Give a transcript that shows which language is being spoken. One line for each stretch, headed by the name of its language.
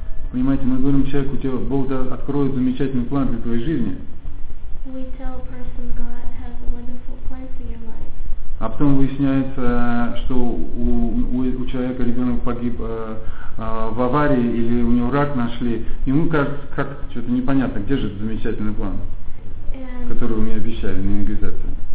Russian: Понимаете, мы говорим человеку, тебе Бог откроет замечательный план для твоей жизни.
English: We tell a person God has a wonderful plan for your life.
Russian: А потом выясняется, что у человека ребенок погиб в аварии или у него рак нашли. Ему кажется, как что-то непонятно, где же этот замечательный план, который вы мне обещали на евангелизации.